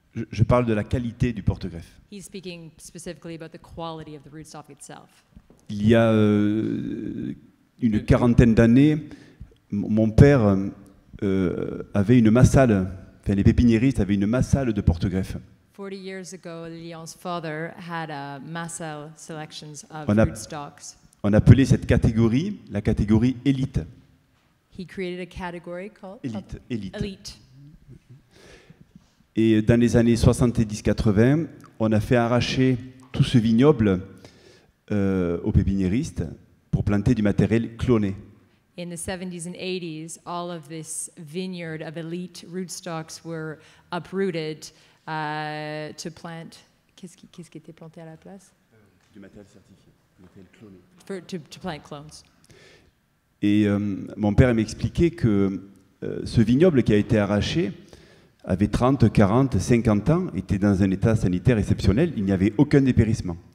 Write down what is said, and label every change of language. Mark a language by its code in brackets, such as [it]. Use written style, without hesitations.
[fr] Je parle de la qualité du porte-greffe. [en] He's speaking specifically about the quality of the rootstock itself. [fr] Il y a une quarantaine d'années, mon père avait une massale, enfin les pépiniéristes avaient une massale de porte-greffe. [en] 40 years ago, Lilian's father had a massale selections of rootstocks. [fr] On appelait cette catégorie la catégorie élite. [en] He created a category called [fr] élite. [en] Elite. [fr] Et dans les années 70-80, on a fait arracher tout ce vignoble aux pépiniéristes pour planter du matériel cloné. [en] In the 70s and 80s, all of this vineyard of elite rootstocks were uprooted to plant. [fr] Qu'est-ce qui était planté à la place? Du matériel certifié, du matériel cloné. [en] To plant clones. [fr] Et mon père m'expliquait que ce vignoble qui a été arraché avait 30, 40, 50 ans, était dans un état sanitaire exceptionnel, il n'y avait aucun dépérissement.